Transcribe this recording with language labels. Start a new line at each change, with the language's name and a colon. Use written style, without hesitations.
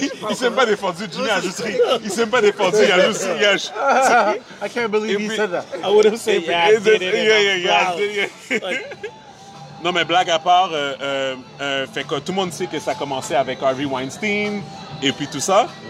French: Il s'est pas défendu, Jimmy a juste ri. Il s'est pas défendu, il a juste ri.
English: I can't believe he said that. I would have said yeah, I did it.
French: Non, mais blague à part, fait que tout le monde sait que ça a commencé avec Harvey Weinstein et puis tout ça.